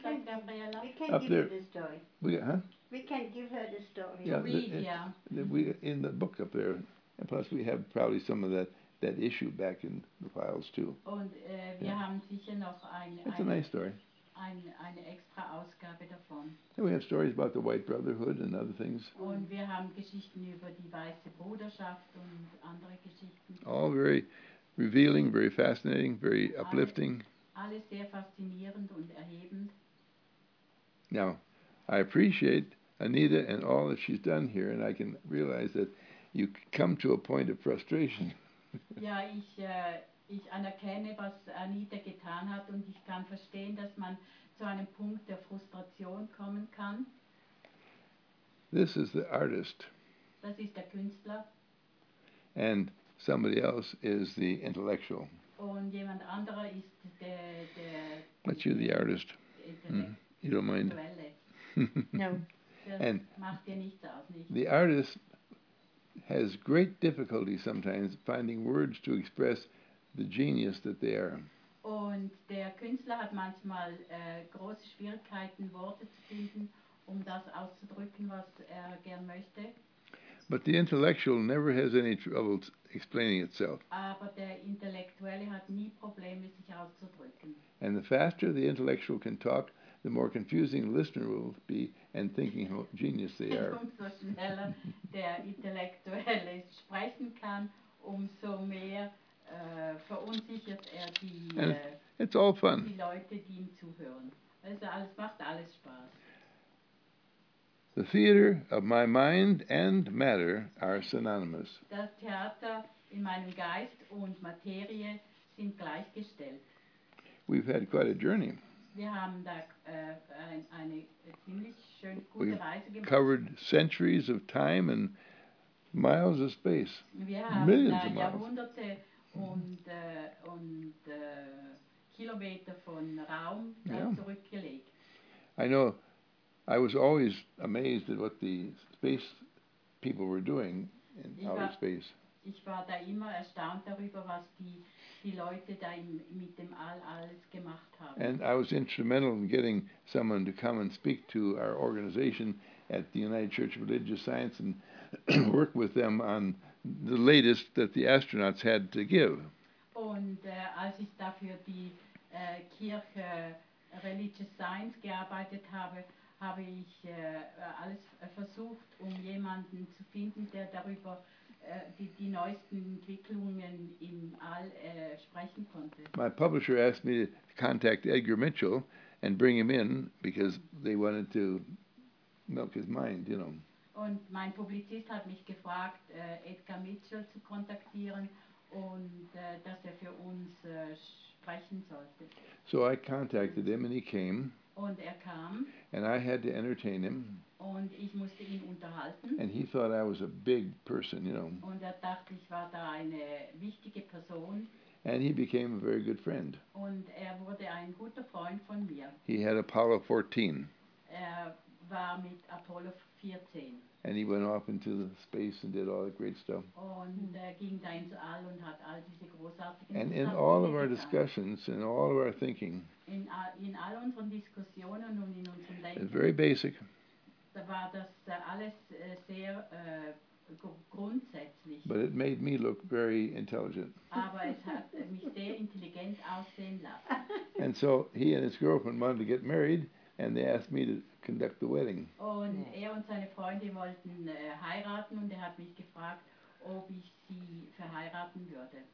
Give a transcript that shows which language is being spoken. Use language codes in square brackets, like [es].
[en] we can give her the story. We can give her the story. Yeah, in the book up there. And plus we have probably some of that issue back in the files too. [de] Und wir yeah. haben sicher noch eine. [en] It's a nice story. [de] Eine extra Ausgabe davon. [en] And we have stories about the White Brotherhood and other things. [de] Und wir haben Geschichten über die Weiße Bruderschaft und andere Geschichten. [en] All very revealing, very fascinating, very uplifting. [de] Alles sehr faszinierend und erhebend. [en] Now, I appreciate Anita and all that she's done here, and I can realize that you come to a point of frustration. [de] Ja, ich anerkenne, was Anita getan hat, und ich kann verstehen, dass man zu einem Punkt der Frustration kommen kann. [en] This is the artist. [de] Das ist der Künstler. [en] And somebody else is the intellectual. [de] Und jemand anderer ist der [en] but you're the artist. You don't mind. No. [de] And macht dir nichts aus, nicht. [en] The artist has great difficulty sometimes finding words to express the genius that they are. [de] Und der Künstler hat manchmal große Schwierigkeiten, Worte zu finden, um das auszudrücken, was er gern möchte. [en] But the intellectual never has any trouble explaining itself. [de] Aber der Intellektuelle hat nie Probleme, sich auszudrücken. [en] And the faster the intellectual can talk, the more confusing the listener will be and thinking how genius they are. [de] Umso schneller der Intellektuelle sprechen kann, umso mehr verunsichert er [en] it's all fun. [de] Die Leute, die ihm zuhören. Also, es macht alles Spaß. [en] The theater of my mind and matter are synonymous. [de] Das Theater in meinem Geist und Materie sind gleichgestellt. [en] We've had quite a journey. [de] Wir haben da eine ziemlich schön gute [en] We've [de] Reise gemacht. [en] Covered centuries of time and miles of space. [de] Wir haben [en] Millions of [de] Jahrhunderte [en] miles. [de] und Kilometer von Raum zurückgelegt. [en] I know. I was always amazed at what the space people were doing in outer space. [de] Ich war da immer erstaunt darüber, was die Leute da mit dem All alles gemacht haben. [en] And I was instrumental in getting someone to come and speak to our organization at the United Church of Religious Science and work with them on the latest that the astronauts had to give. [de] Und als ich dafür die Kirche Religious Science gearbeitet habe ich alles versucht, um jemanden zu finden, der darüber die neuesten Entwicklungen im All sprechen konnte. [en] My publisher asked me to contact Edgar Mitchell and bring him in, because they wanted to milk his mind, you know. [de] Und mein Publizist hat mich gefragt, Edgar Mitchell zu kontaktieren und dass er für uns sprechen sollte. [en] So I contacted him and he came. [de] Und er kam. [en] And I had to entertain him. [de] Und ich musste ihn unterhalten. [en] And he thought I was a big person, you know. [de] Und er dachte, ich war da eine wichtige Person. [en] And he became a very good friend. [de] Und er wurde ein guter Freund von mir. [en] He had Apollo 14. [de] Er war mit Apollo 14. [en] And he went off into the space and did all that great stuff. [de] Und er ging da ins All und hat all diese großartigen [en] And in all of our discussions and all of our thinking. [de] In all unseren Diskussionen und in unserem Denken. [en] Very basic. [de] Da war das alles sehr grundsätzlich. [en] But it made me look very intelligent. [de] Aber es hat mich sehr intelligent aussehen lassen. [en] And so he and his girlfriend wanted to get married, and they asked me to conduct the wedding. [de] Und er und seine Freunde wollten heiraten, und er hat mich gefragt, ob ich sie verheiraten würde.